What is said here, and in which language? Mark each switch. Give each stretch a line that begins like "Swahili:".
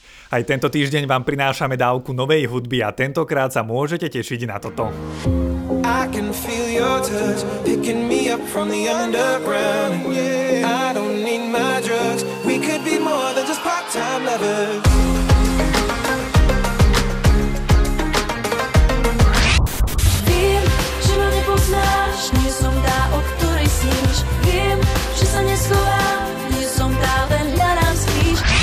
Slovak: Aj tento týždeň vám prinášame dávku novej hudby a tentokrát sa môžete tešiť na toto.
English: I can feel your touch, picking me up from the underground. Yeah, I don't need my drugs, we could be more than just part-time lovers.
Slovak: Viem, že ma nepoznáš, nie som tá, o ktorej sníš. Viem, že sa neschovám, nie som tá, len hľadám spíš.